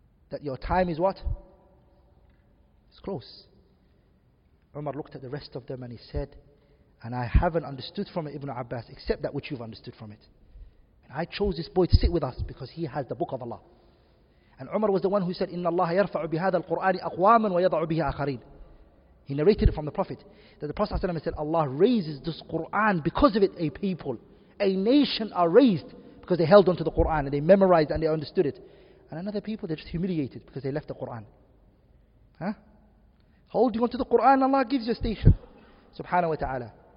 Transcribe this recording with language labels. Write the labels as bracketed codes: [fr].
[en] That your time is what? It's close. Umar looked at the rest of them and he said, and I haven't understood from it, Ibn Abbas, except that which you've understood from it. And I chose this boy to sit with us because he has the book of Allah. And Umar was the one who said, [ar] إِنَّ اللَّهَ يَرْفَعُ بِهَذَا الْقُرْآنِ أَقْوَامًا وَيَضَعُ بِهِ آخَرِينَ. [en] He narrated it from the Prophet. That the Prophet ﷺ said, Allah raises this Qur'an because of it, a people, a nation are raised because they held on to the Qur'an and they memorized and they understood it. And another people, they're just humiliated because they left the Qur'an. Huh? Holding on to the Qur'an, Allah gives you a station. Subhanahu wa ta'ala.